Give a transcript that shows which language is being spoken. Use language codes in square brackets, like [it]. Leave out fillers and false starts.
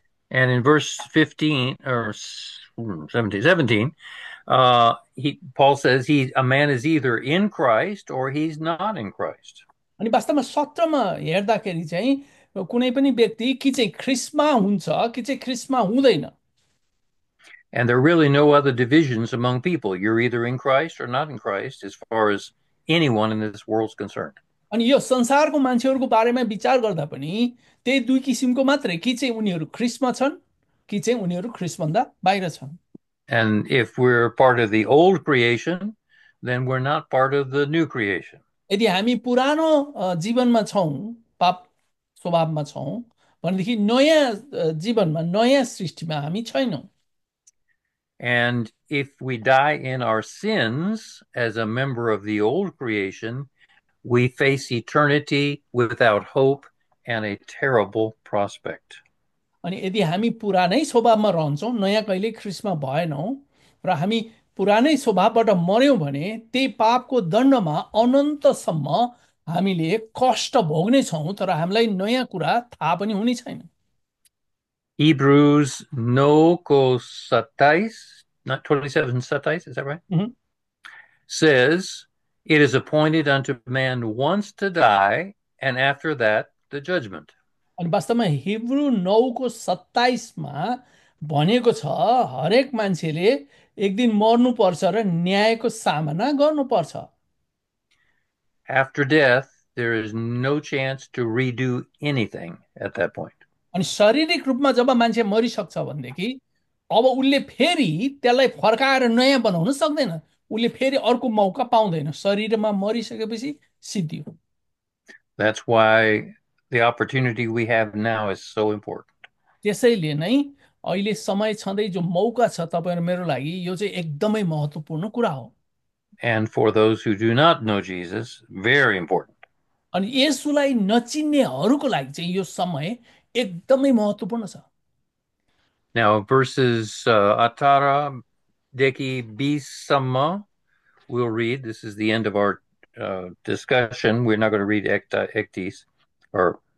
[en] And in verse 15 or 17, Paul says a man is either in Christ or he's not in Christ. [ne] अनि वास्तवमा 17मा हेर्दाखेरि चाहिँ कुनै पनि व्यक्ति कि चाहिँ ख्रिस्मा हुन्छ कि चाहिँ ख्रिस्मा हुँदैन। [en] And there are really no other divisions among people. You're either in Christ or not in Christ, as far as anyone in this world's concerned. [ne] अनि यो संसारको मान्छेहरूको बारेमा विचार गर्दा पनि त्यही दुई किसिमको मात्रै, कि चाहिँ उनीहरू ख्रिस्मा छन् कि चाहिँ उनीहरू ख्रिस्मभन्दा बाहिर छन्। [en] And if we're part of the old creation, then we're not part of the new creation. [ne] यदि हामी पुरानो जीवनमा छौँ, पाप स्वभावमा छौँ भनेदेखि नयाँ जीवनमा, नयाँ सृष्टिमा हामी छैनौँ। [en] And if we die in our sins as a member of the old creation, we face eternity without hope and a terrible prospect. [ne] अनि यदि हामी पुरानै स्वभावमा रहन्छौँ, नयाँ कहिले ख्रिस्मा भएनौँ, र हामी पुरानै स्वभावबाट मर्यौँ भने त्यही पापको दण्डमा अनन्तसम्म हामीले कष्ट भोग्नेछौँ, तर हामीलाई नयाँ कुरा थाहा पनि हुने छैन। [en] Hebrews 9:27, not 27, 27, is that right? Says, it is appointed unto man once to die, and after that, the judgment. [ne] अनि वास्तवमा हिब्रू 9:27मा भनेको छ, हरेक मान्छेले एक दिन मर्नुपर्छ र न्यायको सामना गर्नुपर्छ। [en] After death, there is no chance to redo anything at that point. [ne] अनि शारीरिक रूपमा जब मान्छे मरिसक्छ भनेदेखि अब उसले फेरि त्यसलाई फर्काएर नयाँ बनाउन सक्दैन, उसले फेरि अर्को मौका पाउँदैन। शरीरमा मरिसकेपछि सिद्धि हो। [en] That's why the opportunity we have now is so important. [ne] त्यसैले नै अहिले समय छँदै जो मौका छ तपाईँहरू मेरो लागि, यो चाहिँ एकदमै महत्त्वपूर्ण कुरा हो। [en] And for those who do not know Jesus, very important. [ne] अनि यसुलाई नचिन्नेहरूको लागि चाहिँ यो समय एकदमै महत्त्वपूर्ण छ। [en] Now, verses 18 [ne] देखि 20 सम्म, [en] we'll read. This is the end of our discussion. We're not going to read ectes or